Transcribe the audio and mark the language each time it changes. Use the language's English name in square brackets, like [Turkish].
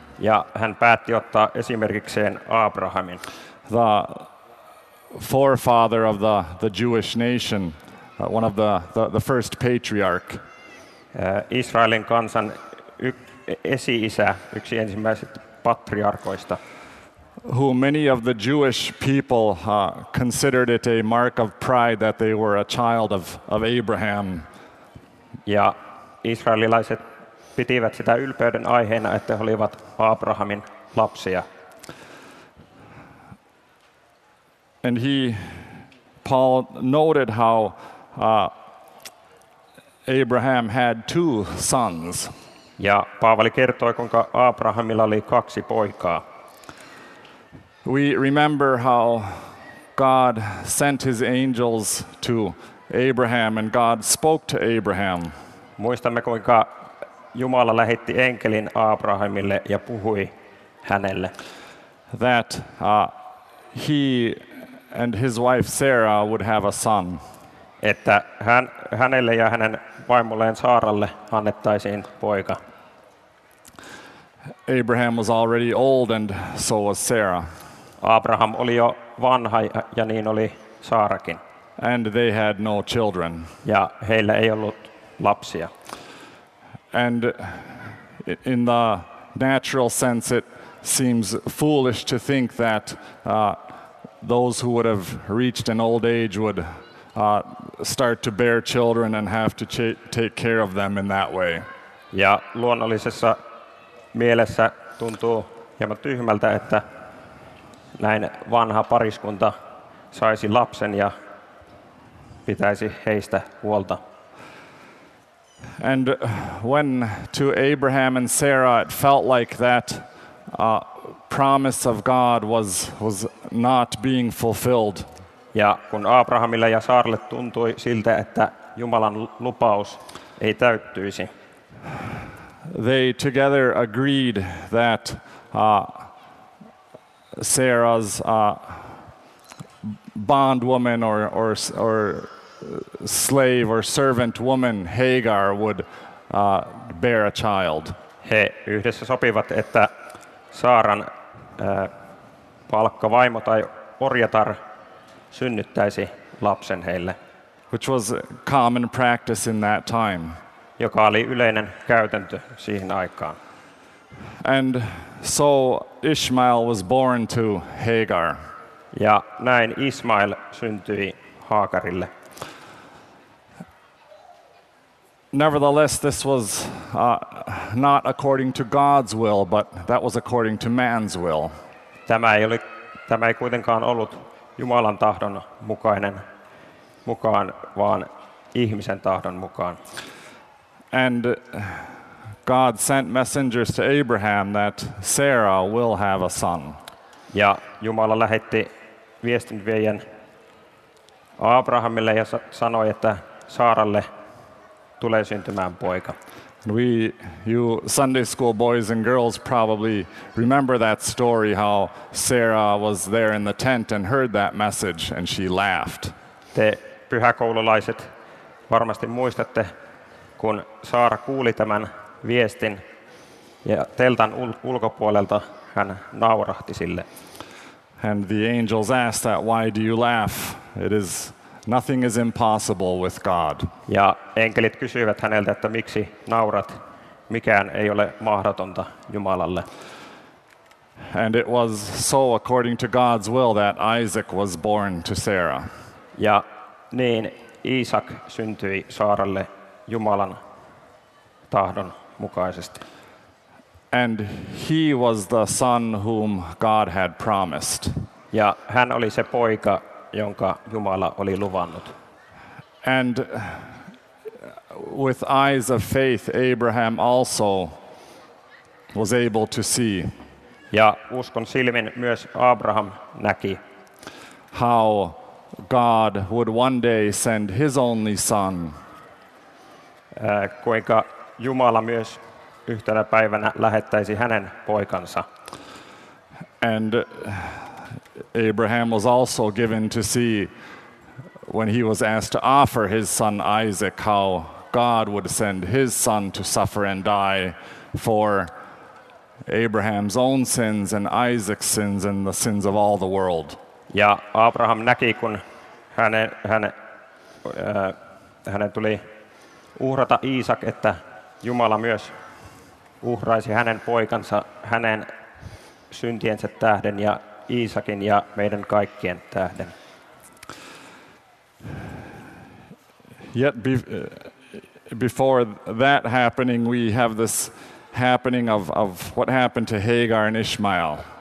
[Finnish] Ja hän päätti ottaa esimerkikseen Abrahamin. [English] The forefather of the Jewish nation, one of the first patriarch. [Finnish] Israelin kansan esi-isä, yksi ensimmäisistä patriarkoista. [English] Who many of the Jewish people considered it a mark of pride that they were a child of Abraham. [Finnish] Ja israelilaiset pitivät sitä ylpeyden aiheena, että he olivat Abrahamin lapsia. [English] And he, Paul, noted how Abraham had two sons. [Finnish] Ja Paavali kertoi, kuinka Abrahamilla oli kaksi poikaa. [English] We remember how God sent his angels to Abraham and God spoke to Abraham. [Finnish] Muistamme, kuinka Jumala lähetti enkelin Abrahamille ja puhui hänelle. [English] That he and his wife Sarah would have a son. [Finnish] Että hänelle ja hänen vaimolleen Saaralle annettaisiin poika. [English] Abraham was already old and so was Sarah. [Finnish] Abraham oli jo vanha ja niin oli Saarakin. [English] And they had no children. [Finnish] Ja heillä ei ollut lapsia. [English] And in the natural sense it seems foolish to think that those who would have reached an old age would start to bear children and have to take care of them in that way. [Finnish] Ja luonnollisessa mielessä tuntuu hieman tyhmältä, että näin vanha pariskunta saisi lapsen ja pitäisi heistä huolta. [English] And when to Abraham and Sarah it felt like that promise of God was not being fulfilled. [Finnish] Ja kun Abrahamille ja Saaralle tuntui siltä, että Jumalan lupaus ei täyttyisi. [English] They together agreed that Sarah's bondwoman or slave or servant woman Hagar would bear a child. [Finnish] He yhdessä sopivat, että Saaran palkkavaimo tai orjatar synnyttäisi lapsen heille. [English] Which was common practice in that time. [Finnish] Joka oli yleinen käytäntö siihen aikaan. [English] And so Ishmael was born to Hagar. [Finnish] Ja näin Ismail syntyi Haakarille. [English] Nevertheless, this was not according to God's will, but that was according to man's will. [Finnish] Tämä ei kuitenkaan ollut Jumalan tahdon mukaan, vaan ihmisen tahdon mukaan. [English] And God sent messengers to Abraham that Sarah will have a son. [Finnish] Ja Jumala lähetti viestinviejän Abrahamille ja sanoi, että Saaralle tulee syntymään poika. [English] We, you Sunday school boys and girls, probably remember that story how Sarah was there in the tent and heard that message and she laughed. [Finnish] Te pyhäkoululaiset varmasti muistatte, kun Saara kuuli tämän viestin ja teltan ulkopuolelta hän naurahti sille. [English] And the angels asked that, why do you laugh? It is nothing is impossible with God. [Finnish] Ja enkelit kysyivät häneltä, että miksi naurat? Mikään ei ole mahdotonta Jumalalle. [English] And it was so according to God's will that Isaac was born to Sarah. [Finnish] Ja niin Iisak syntyi Saaralle Jumalan tahdon mukaisesti. [English] And he was the son whom God had promised. [Finnish] Ja hän oli se poika, jonka Jumala oli luvannut. [English] And with eyes of faith, Abraham also was able to see. [Finnish] Ja uskon silmin myös Abraham näki, [English] how God would one day send his only son. [Finnish] Kuinka Jumala myös yhtenä päivänä lähettäisi hänen poikansa. [English] And Abraham was also given to see when he was asked to offer his son Isaac how God would send his son to suffer and die for Abraham's own sins and Isaac's sins and the sins of all the world. [Finnish] Ja Abraham näki, kun hänen tuli uhrata Iisak, että Jumala myös uhraisi hänen poikansa hänen syntiensä tähden ja Iisakin ja meidän kaikkien tähden. [English] Yet before that happening we have this happening of what happened to Hagar and Ishmael.